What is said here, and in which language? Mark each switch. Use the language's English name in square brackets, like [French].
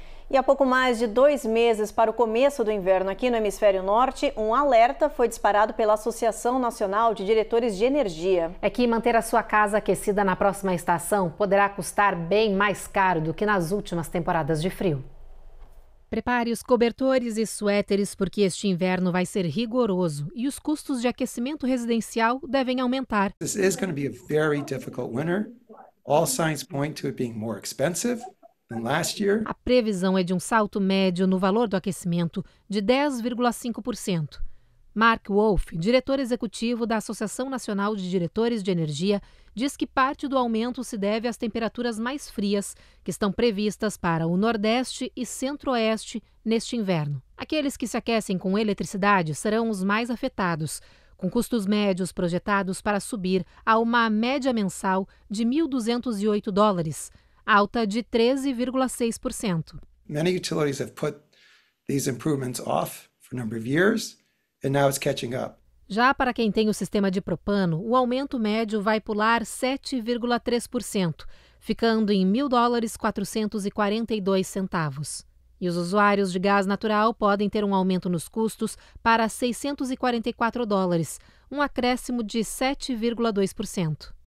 [Portuguese] E há pouco mais de 2 meses para o começo do inverno aqui no Hemisfério Norte, um alerta foi disparado pela Associação Nacional de Diretores de Energia. É que manter a sua casa aquecida na próxima estação poderá custar bem mais caro do que nas últimas temporadas de frio. Prepare os cobertores e suéteres porque este inverno vai ser rigoroso e os custos de aquecimento residencial devem aumentar. [English] This is going to be a very difficult winter. All signs point to it being more expensive. [Portuguese] A previsão é de um salto médio no valor do aquecimento de 10,5%. Mark Wolf, diretor executivo da Associação Nacional de Diretores de Energia, diz que parte do aumento se deve às temperaturas mais frias que estão previstas para o Nordeste e Centro-Oeste neste inverno. Aqueles que se aquecem com eletricidade serão os mais afetados, com custos médios projetados para subir a uma média mensal de $1,208, alta de 13,6%. [English] Many utilities have put these improvements off for a number of years and now it's catching up. [Portuguese] Já para quem tem o sistema de propano, o aumento médio vai pular 7,3%, ficando em $1,442. E os usuários de gás natural podem ter um aumento nos custos para $644, um acréscimo de 7,2%.